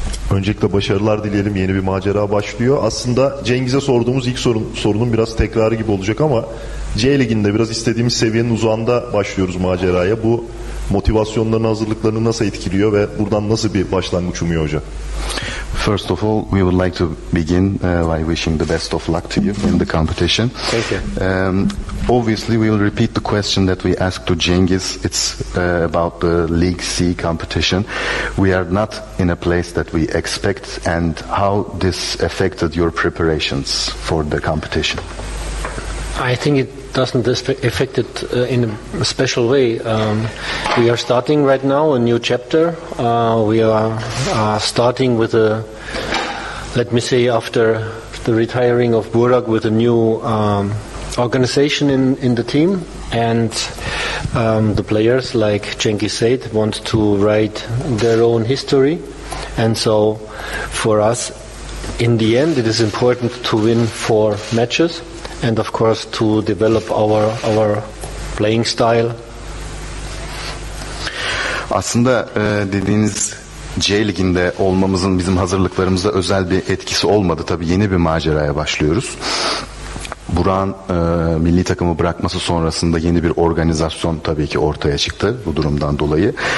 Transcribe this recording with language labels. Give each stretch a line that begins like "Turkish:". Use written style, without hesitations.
Turkish: Öncelikle başarılar dileyelim. Yeni bir macera başlıyor. Aslında Cengiz'e sorduğumuz ilk sorunun biraz tekrarı gibi olacak ama C Ligi'nde biraz istediğimiz seviyenin uzağında başlıyoruz maceraya. Bu motivasyonlarını, hazırlıklarını nasıl etkiliyor ve buradan nasıl bir başlangıç umuyor hoca?
English: First of all, we would like to begin by wishing the best of luck to you in the competition. Thank you. Obviously, we will repeat the question that we asked to Cengiz. It's about the League C competition. We are not in a place that we expect, and how this affected your preparations for the competition? I think it doesn't affect it in a special way. We are starting right now a new chapter. We are starting with a, let me say, after the retiring of Burak, with a new organization in the team. And the players, like Cengiz said, want to write their own history. And so for us, in the end, it is important to win 4 matches and of course to develop our playing style.
Turkish: Aslında dediğiniz C liginde olmamızın bizim hazırlıklarımızda özel bir etkisi olmadı. Tabii yeni bir maceraya başlıyoruz. Buran milli takımı bırakması sonrasında yeni bir organizasyon tabii ki ortaya çıktı bu durumdan dolayı.